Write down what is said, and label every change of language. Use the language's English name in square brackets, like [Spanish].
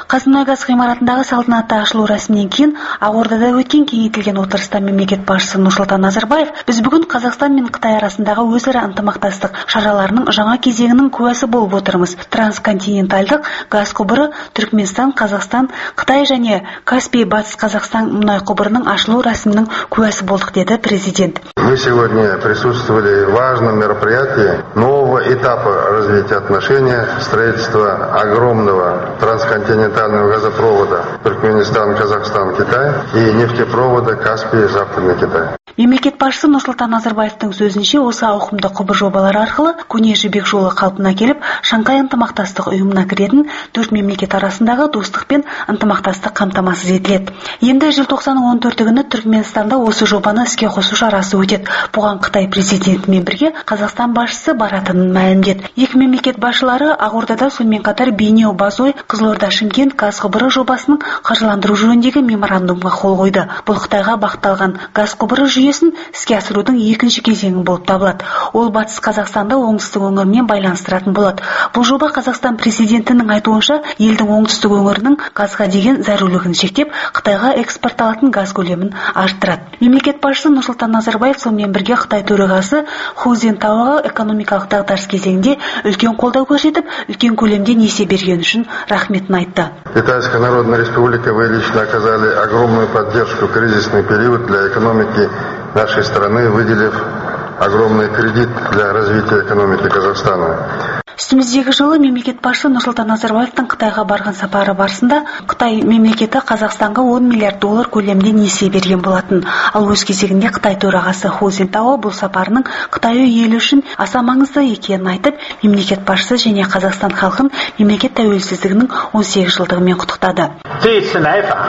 [Kazakh] Қазмұнайгаз ғимаратындағы салтанатты ашылу рәсімінен кейін Ақордада өткен кеңейтілген отырыста мемлекет басшысы Нұрсұлтан Назарбаев: "Біз бүгін Қазақстан мен Қытай арасындағы өзара ынтымақтастық шараларының жаңа кезеңінің куәсі болып отырмыз. Трансконтиненталдық газ құбыры Түркменстан, Қазақстан, Қытай және Каспий батыс Қазақстан мұнай құбырының ашылу рәсімінің куәсі болдық" деді президент. [Russian] Мы сегодня присутствовали в важном мероприятии нового этапа развития отношений, строительства огромного трансконтинентального газопровода Түркменстан-Казахстан-Китай и нефтепровода Каспий-Западный Китай. [Kazakh] Мемлекет басшысы Нұрсұлтан Назарбаевтың сөзінше, осы ауқымды құбыр жобалары арқылы көне Жібек жолы қалпына келіп, Шанхай ынтымақтастық ұйымына кіретін төрт мемлекет арасындағы достық пен ынтымақтастық қамтамасыз етіледі. Енді желтоқсанның 14-ті күні Түркменстанда осы жобаны іске қосу шарасы өтеді. Бұған Қытай президентімен бірге Қазақстан басшысы баратынын мәлімдеді. Екі мемлекет басшылары Ақордада сонымен қатар Бейнеу-Базой, Қызылорда-Шымкент газ құбыры жобасының қаржыландыру жөніндегі меморандумға қол қойды. Бұл Қытайға бағытталған газ құбыры жүйесін іске асырудың екінші кезеңі болып табылады. Ол батыс Қазақстанда оңтүстік өңірмен байланыстыратын болады. Бұл жоба Қазақстан президентінің айтуынша, елдің оңтүстік өңірінің газға деген зәрулігін шектеп, Қытайға экспортталатын газ көлемін арттырады. Мемлекет басшысы Нұрсұлтан Назарбаев сонымен бірге Қытай төрағасы Ху Цзинтаоға экономикалық дағдарыс кезеңінде үлкен қолдау көрсетіп, үлкен көлемде несие бергені үшін рахметін айтты. [Russian] Китайская Народная Республика, вы лично оказали огромную поддержку в кризисный период для экономики нашей страны, выделив огромный кредит для развития экономики Казахстана. [Kazakh] Үстіміздегі жылы мемлекет басшысы Нұрсұлтан Назарбаевтың Қытайға барған сапары барысында Қытай мемлекеті Қазақстанға 10 миллиард доллар көлемінде несие берген болатын. Ал өз кезегінде Қытай төрағасы Ху Цзинтао бұл сапарының Қытай елі үшін аса маңызды екенін айтып, мемлекет басшысы және Қазақстан халқын мемлекет тәуелсіздігінің 18 жылдығымен құттықтады.